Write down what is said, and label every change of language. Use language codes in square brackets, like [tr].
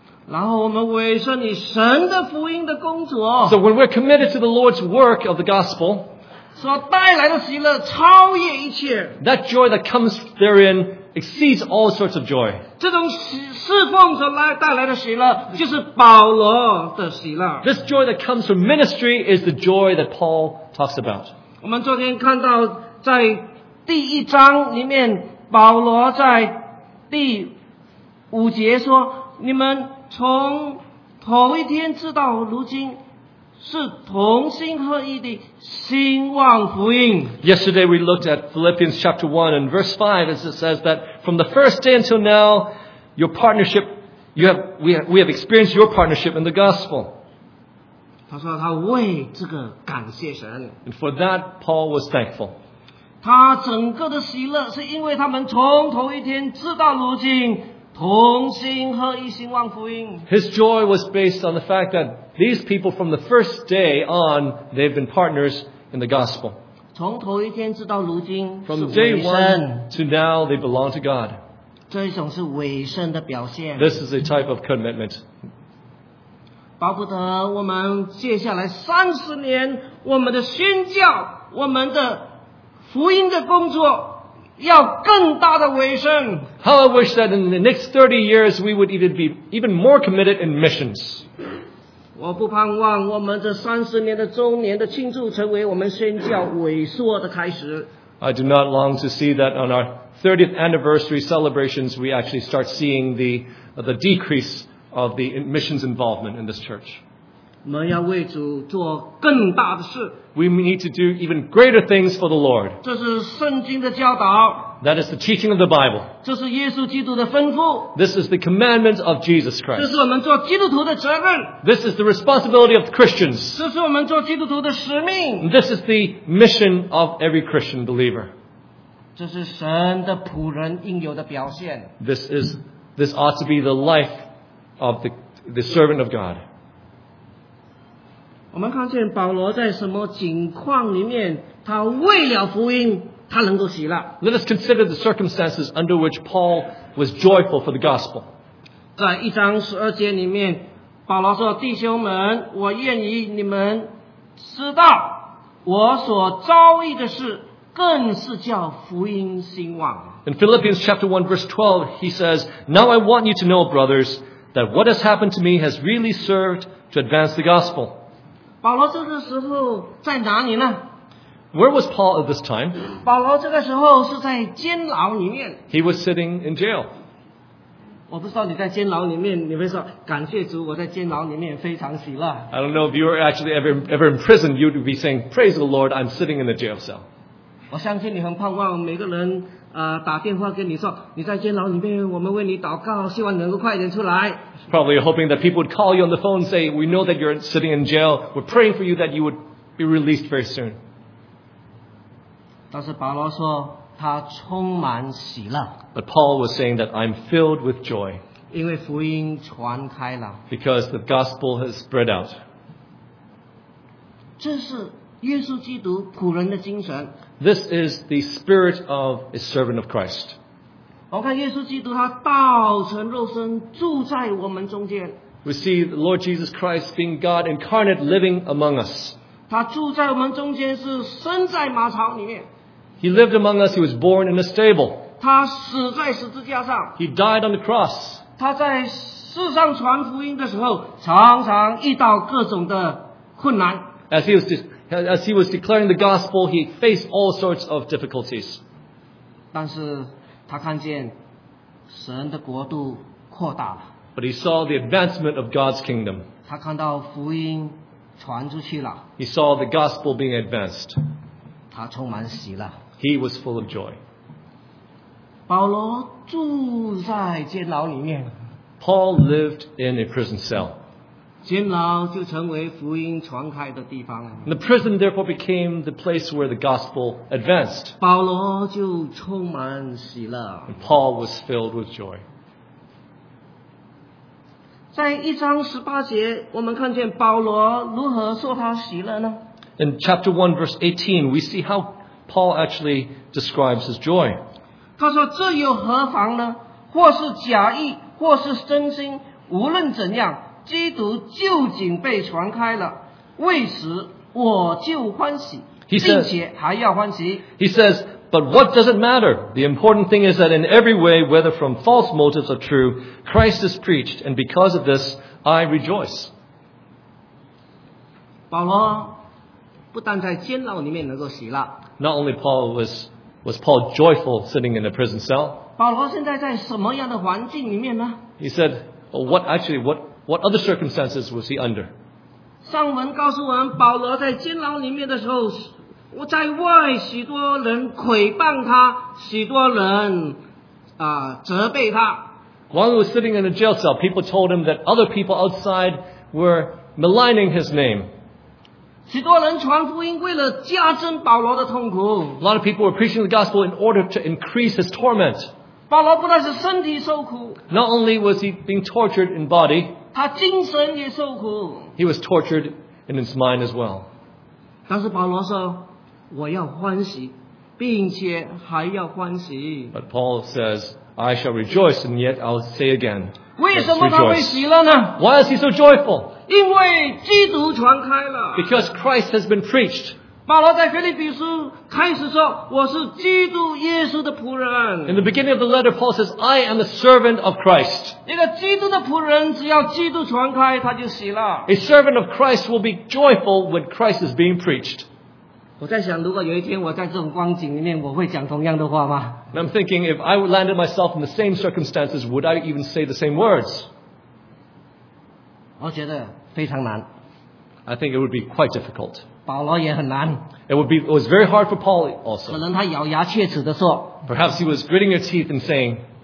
[zh] 然后我们委身于神的福音的工作。 [en] So when we're committed to the Lord's work of the gospel, [zh] 所带来的喜乐超越一切。 [en] That joy that comes therein exceeds all sorts of joy. [zh] 这种侍奉所带来的喜乐就是保罗的喜乐。 [en] This joy that comes from ministry is the joy that Paul talks about. [zh] 我们昨天看到在第一章里面，保罗在第五节说，你们从头一天知道如今是同心合意的兴旺福音。 [en] Yesterday we looked at Philippians chapter 1 and verse 5 as it says that from the first day until now your partnership we have experienced your partnership in the gospel. [zh] 他说他为这个感谢神。 [en] And for that Paul was thankful. [zh] 他整个的喜乐是因为他们从头一天知道如今同心合一兴旺福音。 [en] His joy was based on the fact that these people from the first day on, they've been partners in the gospel. [zh] 从头一天直到如今是尾声。 [en] From day one to now, they belong to God. [zh] 这一种是尾声的表现。 [en] This is a type of commitment. [zh] 巴不得我们接下来三十年，我们的宣教，我们的福音的工作要更大的尾声。 [en] How I wish that in the next 30 years we would even be even more committed in missions. [zh] 我不盼望我们这30年的周年的庆祝成为我们宣教萎缩的开始。 [en] I do not long to see that on our 30th anniversary celebrations we actually start seeing the decrease of the missions involvement in this church. [zh] 我们要为主做更大的事。 [en] We need to do even greater things for the Lord. [zh] 这是圣经的教导。 [en] That is the teaching of the Bible. [zh] 这是耶稣基督的吩咐。 [en] This is the commandment of Jesus Christ. [zh] 这是我们做基督徒的责任。 [en] This is the responsibility of Christians. [zh] 这是我们做基督徒的使命。 [en] This is the mission of every Christian believer. [zh] 这是神的仆人应有的表现。 [en] This ought to be the life of the servant of God. [zh] 我们看见保罗在什么境况里面，他为了福音，他能够喜乐。 [en] Let us consider the circumstances under which Paul was joyful for the gospel. [zh] 在一章十二节里面，保罗说：“弟兄们，我愿意你们知道我所遭遇的事，更是叫福音兴旺。” [en] In Philippians chapter 1 verse 12, he says, "Now I want you to know, brothers, that what has happened to me has really served to advance the gospel." [zh] 保罗这个时候在哪里呢？ [en] Where was Paul at this time? [zh] 保罗这个时候是在监牢里面。 [en] He was sitting in jail. [zh] 我不知道你在监牢里面，你会说感谢主，我在监牢里面非常喜乐。 [en] I don't know if you were actually ever in prison, you'd be saying, praise the Lord, I'm sitting in the jail cell. [zh] 我相信你很盼望每个人打电话跟你说你在监牢里面，我们为你祷告，希望能够快点出来。 [en] Probably hoping that people would call you on the phone and say, we know that you're sitting in jail. We're praying for you that you would be released very soon. [zh] 但是保罗说他充满喜乐。 [en] But Paul was saying that I'm filled with joy. [zh] 因为福音传开了。 [en] Because the gospel has spread out. [zh] 这是耶稣基督仆人的精神。 [en] This is the spirit of a servant of Christ. [zh] 我看耶稣基督他道成肉身住在我们中间。 [en] We see the Lord Jesus Christ being God incarnate living among us. [zh] 他住在我们中间，是生在马槽里面。 [en] He lived among us. He was born in a stable. [zh] 他死在十字架上。 [en] He died on the cross. [zh] 他在世上传福音的时候，常常遇到各种的困难。 [en] As he was declaring the gospel, he faced all sorts of difficulties. [zh] 但是他看见神的国度扩大了。 [en] But he saw the advancement of God's kingdom. [zh] 他看到福音传出去了。 [en] He saw the gospel being advanced. [zh] 他充满喜了。 [en] He was full of joy. [zh] 保罗住在监牢里面。 [en] Paul lived in a prison cell. [zh] 监牢就成为福音传开的地方了。 [en] The prison therefore became the place where the gospel advanced. [zh] 保罗就充满喜了。 [en] And Paul was filled with joy. [zh] 在一章十八节，我们看见保罗如何说他喜乐呢？ [en] In chapter 1 verse 18, we see how Paul actually describes his joy. [zh] 他说这有何妨呢？或是假意或是真心，无论怎样，基督究竟被传开了，为此我就欢喜，并且还要欢喜。 [en] He says, but what does it matter? The important thing is that in every way, whether from false motives or true, Christ is preached, and because of this, I rejoice. [zh] 保罗不但在监牢里面能够喜乐。 [en] Not only Paul was Paul joyful sitting in a prison cell. [zh] 保罗现在在什么样的环境里面呢？ [en] He said, what other circumstances was he under? [zh] 上文告诉我们，保罗在监牢里面的时候，在外许多人诽谤他，许多人责备他。 [en] While he was sitting in a jail cell, people told him that other people outside were maligning his name. [zh] 许多人传福音为了加增保罗的痛苦。 [en] A lot of people were preaching the gospel in order to increase his torment. [zh] 保罗不但是身体受苦。 [en] Not only was he being tortured in body. [zh] 他精神也受苦。 [en] He was tortured in his mind as well. [zh] 但是保罗说，我要欢喜，并且还要欢喜。 [en] But Paul says, I shall rejoice, and yet I'll say again. [zh] 为什么他会喜乐呢？ [en] Why is he so joyful? [zh] 因为基督传开了。 [en] Because Christ has been preached. [zh] 保罗在腓立比书开始说，我是基督耶稣的仆人。 [en] In the beginning of the letter, Paul says, I am a servant of Christ. [zh] 一个基督的仆人只要基督传开，他就喜乐。 [en] A servant of Christ will be joyful when Christ is being preached. [zh] 我在想，如果有一天我在这种光景里面，我会讲同样的话吗？ [en] I'm thinking, if I landed myself in the same circumstances, would I even say the same words? [zh] 我觉得非常难。 [en] I think it would be quite difficult. [zh] 保罗也很难。 [en] It was very hard for Paul also. [zh] 可能他咬牙切齿地说。 [en] Perhaps he was gritting his teeth and saying,